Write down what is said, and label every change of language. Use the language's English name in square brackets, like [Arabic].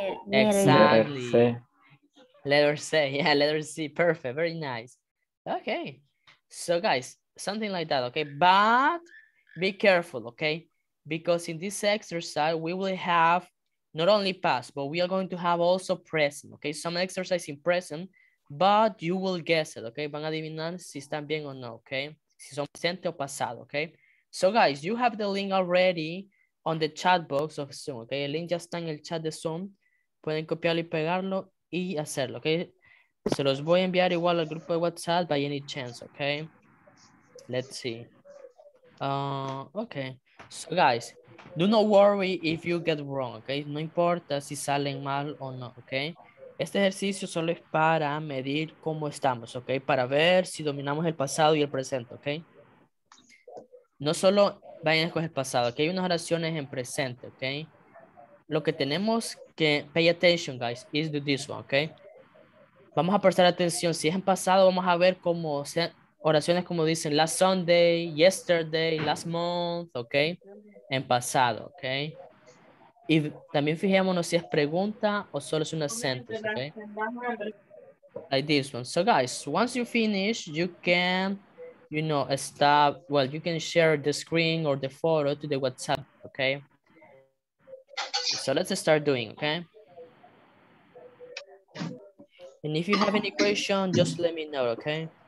[English] Exactly. Letter C. Yeah, letter C. Perfect. Very nice. Okay. So, guys, something like that, okay? But be careful, okay? Because in this exercise, we will have not only past, but we are going to have also present, okay? Some exercise in present, but you will guess it, okay? [Spanish] Van a adivinar si están bien o no, okay? Si son presente o pasado, okay? [English] So, guys, you have the link already on the chat box of Zoom, okay? [Spanish] El link ya está en el chat de Zoom. Pueden copiarlo y pegarlo y hacerlo, okay? Se los voy a enviar igual al grupo de WhatsApp [English] by any chance, [Spanish] okay? Let's see. Okay. [English] So, guys, do not worry if you get wrong, okay? [Spanish] No importa si salen mal o no, okay? Este ejercicio solo es para medir cómo estamos, okay? Para ver si dominamos el pasado y el presente, okay? No solo vayan a escoger el pasado, okay? Hay unas oraciones en presente, okay? Lo que tenemos que [English] pay attention, guys, is do this one, [Spanish] okay? Vamos a prestar atención. Si es en pasado, vamos a ver cómo se... Oraciones como dicen [English] last Sunday, yesterday, last month, [Spanish] ok. En pasado, ok. Y también fijémonos si es pregunta o solo es una sentence, ok. [English] Like this one. So, guys, once you finish, you can, you know, stop. Well, you can share the screen or the photo to the WhatsApp, ok. So, let's start doing, ok. And if you have any question, just let me know, ok.